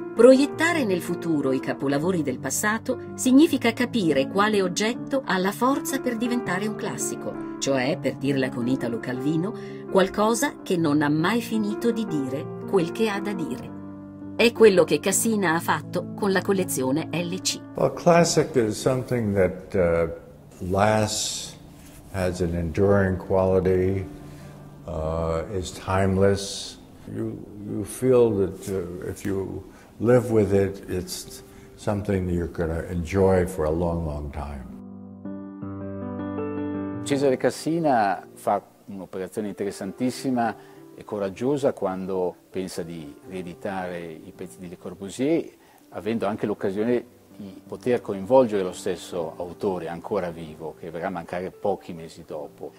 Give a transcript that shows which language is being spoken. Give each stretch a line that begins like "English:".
Italian: Proiettare nel futuro i capolavori del passato significa capire quale oggetto ha la forza per diventare un classico, cioè, per dirla con Italo Calvino, qualcosa che non ha mai finito di dire quel che ha da dire. È quello che Cassina ha fatto con la collezione LC.
English: Well, classic is something that lasts, has an enduring quality, is timeless. You feel that if you live with it, it's something that you're gonna enjoy for a long, long time.
Italian: Cesare Cassina fa un'operazione interessantissima e coraggiosa quando pensa di rieditare i pezzi di Le Corbusier, avendo anche l'occasione di poter coinvolgere lo stesso autore ancora vivo, che verrà a mancare pochi mesi dopo.